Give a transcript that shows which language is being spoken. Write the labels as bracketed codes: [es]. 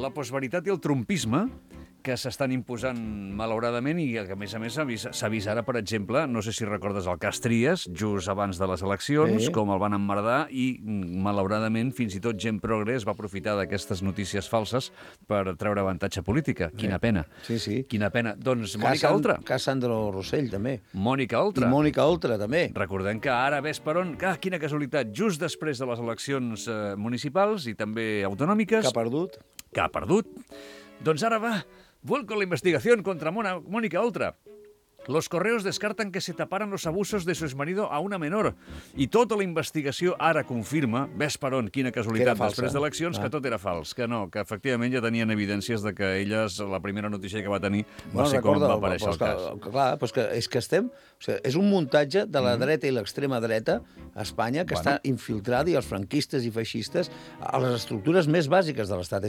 [ca] La postveritat i el trumpisme que s'estan imposant malauradament i que, a més, s'ha vist ara, per exemple, no sé si recordes el cas Trias, just abans de les eleccions, com el van emmerdar i, malauradament, fins i tot gent progres va aprofitar d'aquestes notícies falses per treure avantatge política. Quina pena. Sí, sí. Quina pena. Doncs Mònica Oltra. Cas Sandro Rossell, també. Mònica Oltra. I Mònica Oltra, també. Recordem que ara, ves per on, quina casualitat, just després de les eleccions municipals i també autonòmiques... Que ha perdut. Doncs ara va... [es] Vuelco la investigación contra Mónica Oltra. Los correos descartan que se taparan los abusos de su exmarido a una menor. [ca] I tota la investigació ara confirma, ves per on, quina casualitat, després d'eleccions, que tot era fals. Que no, que efectivament ja tenien evidències de que elles, la primera notícia que va tenir, va ser com va aparèixer el cas. Clar, però és que estem... O sigui, és un muntatge de la dreta i l'extrema dreta a Espanya que està infiltrada, i els franquistes i feixistes, a les estructures més bàsiques de l'Estat.